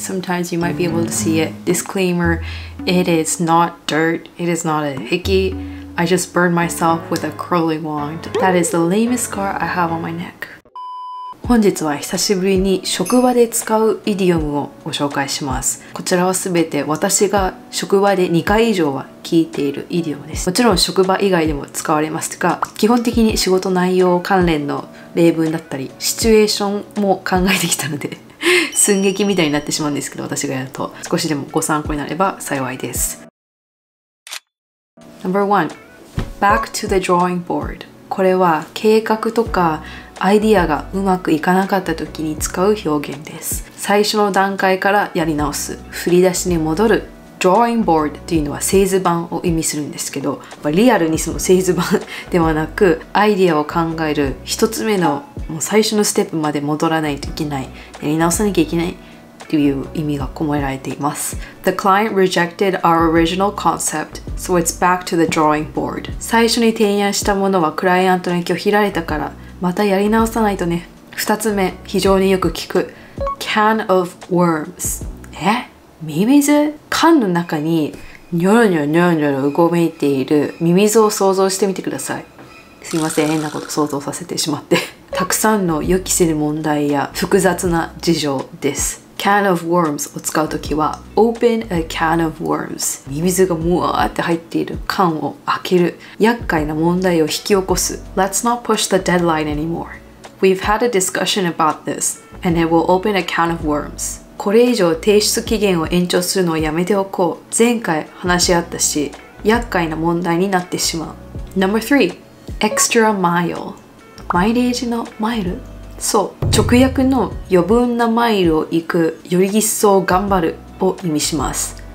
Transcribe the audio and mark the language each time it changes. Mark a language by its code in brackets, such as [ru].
[en] Sometimes you might be able to see it. Disclaimer, it is not dirt. It is not a hickey. I just burned myself with a curling wand. That is the lamest scar I have on my neck. [ja] 本日は久しぶりに職場で使うイディオムをご紹介します。こちらはすべて私が職場で2回以上は聞いているイディオムです。もちろん職場以外でも使われますが、基本的に仕事内容関連の例文だったり、シチュエーションも考えてきたので寸劇みたいになってしまうんですけど、私がやると少しでもご参考になれば幸いです。 [en] Number one, back to the drawing board. [ja] これは計画とかアイディアがうまくいかなかった時に使う表現です。最初の段階からやり直す、振り出しに戻る。 Drawing board というのは製図版を意味するんですけど、リアルにその製図版ではなく、アイディアを考える一つ目のもう最初のステップまで戻らないといけない、やり直さなきゃいけないという意味が込められています。 [en] The client rejected our original concept, so it's back to the drawing board. [ja] 最初に提案したものはクライアントに拒否られたから、またやり直さないとね。 2つ目、非常によく聞く Can of worms。え？ミミズ？缶の中にニョロニョロニョロニョロうごめいているミミズを想像してみてください。すいません、変なこと想像させてしまってたくさんの予期せぬ問題や複雑な事情です。 Can of worms を使うときは Open a can of worms。ミミズがもわーって入っている缶を開ける、厄介な問題を引き起こす。 [en] Let's not push the deadline anymore. We've had a discussion about this and it will open a can of worms. [ja] これ以上提出期限を延長するのをやめておこう。前回話し合ったし、厄介な問題になってしまう。 [en] Number three, extra mile. マイレージのマイル？ [ja] そう、直訳の余分なマイルを行く、より一層頑張るを意味します。